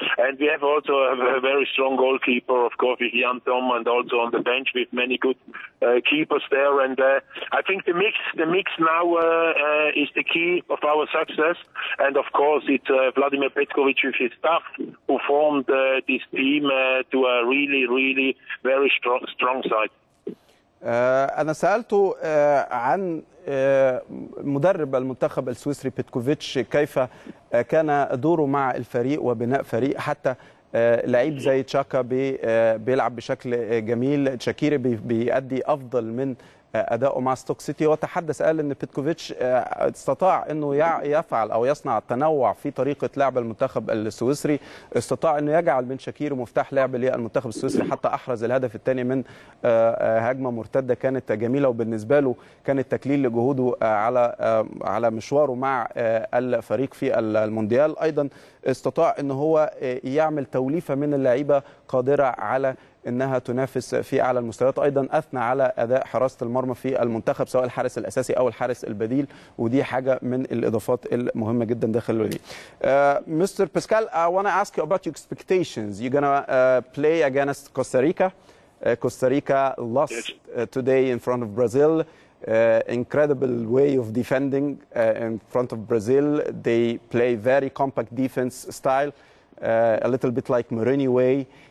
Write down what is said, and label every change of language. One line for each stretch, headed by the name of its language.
English: And we have also a very strong goalkeeper, of course, with Jan Tom, and also on the bench with many good keepers there. And I think the mix now is the key of our success. And of course, it's Vladimir Petkovic with his staff who formed this team to a really, really very strong side.
Arabic: أنا سألته عن مدرب المنتخب السويسري بيتكوفيتش، كيف كان دوره مع الفريق وبناء فريق، حتى لعيب زي تشاكا بيلعب بشكل جميل، شاكيري بيأدي أفضل من أداؤه مع ستوك سيتي، وتحدث قال إن بيتكوفيتش استطاع إنه يفعل أو يصنع التنوع في طريقة لعب المنتخب السويسري، استطاع إنه يجعل من شاكيري مفتاح لعب للمنتخب السويسري، حتى أحرز الهدف الثاني من هجمة مرتدة كانت جميلة، وبالنسبة له كانت تكليل لجهوده على مشواره مع الفريق في المونديال. أيضا استطاع إن هو يعمل توليفة من اللعيبة قادرة على انها تنافس في اعلى المستويات، ايضا اثنى على اداء حراسه المرمى في المنتخب سواء الحارس الاساسي او الحارس البديل، ودي حاجه من الاضافات المهمه جدا داخل الفريق.
English: Mister Pascal, I want to ask you about your expectations. You're going to play against Costa Rica Costa Rica lost today in front of Brazil. Incredible way of defending in front of Brazil. They play very compact defense style, a little bit like Mourinho way.